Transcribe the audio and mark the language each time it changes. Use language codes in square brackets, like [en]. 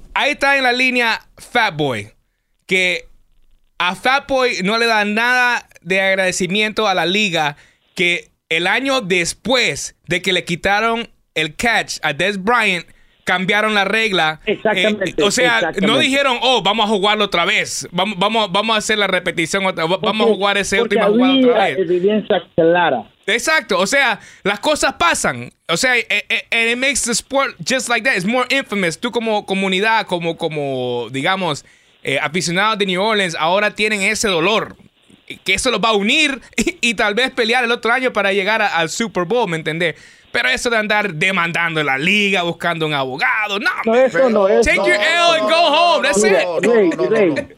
[es] Ahí está en la línea Fatboy, que a Fatboy no le dan nada de agradecimiento a la liga que el año después de que le quitaron el catch a Dez Bryant, cambiaron la regla. Exactamente. No dijeron, vamos a jugarlo otra vez. Vamos a hacer la repetición otra vez. Vamos a jugar ese último jugador otra vez. Porque había evidencia clara. Exacto. O sea, las cosas pasan. O sea, [en] and it makes the sport just like that. It's more infamous. [es] Tú como comunidad, como digamos, aficionados de New Orleans, ahora tienen ese dolor. Que eso los va a unir y tal vez pelear el otro año para llegar al Super Bowl, ¿me entendés? Pero eso de andar demandando la liga, buscando un abogado, no. No, eso no es. [en] Take your L and go home, that's it.